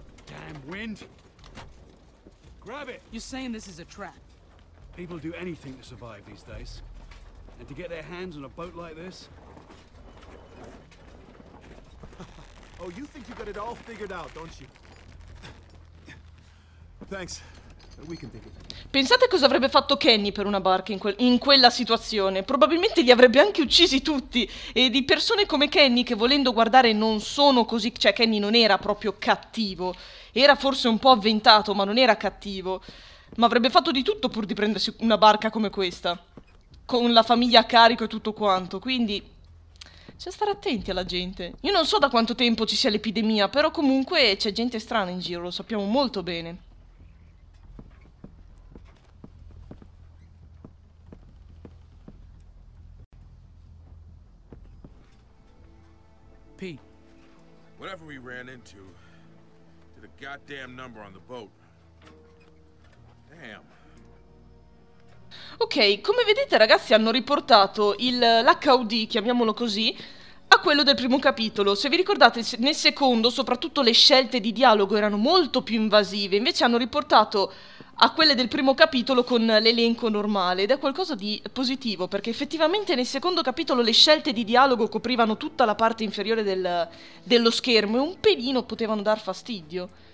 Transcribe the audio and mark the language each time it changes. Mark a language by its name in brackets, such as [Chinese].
[English] Damn wind. Grab it. You're saying this is a trap. People do anything to survive these days. And to get their hands on a boat like this? Oh, you think you got it all figured out, don't you? Thanks. We can take it. [Italian] Pensate cosa avrebbe fatto Kenny per una barca in quella situazione. Probabilmente li avrebbe anche uccisi tutti. E di persone come Kenny, che volendo guardare non sono così... Cioè, Kenny non era proprio cattivo. Era forse un po' avventato, ma non era cattivo. Ma avrebbe fatto di tutto pur di prendersi una barca come questa. Con la famiglia a carico e tutto quanto. Quindi... c'è stare attenti alla gente. Io non so da quanto tempo ci sia l'epidemia, però comunque c'è gente strana in giro, lo sappiamo molto bene. [English] Pete. Whatever we ran into, did a goddamn number on the boat. Damn. [Italian] Ok, come vedete ragazzi hanno riportato l'HUD, chiamiamolo così, a quello del primo capitolo. Se vi ricordate, nel secondo soprattutto le scelte di dialogo erano molto più invasive, invece hanno riportato a quelle del primo capitolo con l'elenco normale, ed è qualcosa di positivo, perché effettivamente nel secondo capitolo le scelte di dialogo coprivano tutta la parte inferiore dello schermo e un pelino potevano dar fastidio.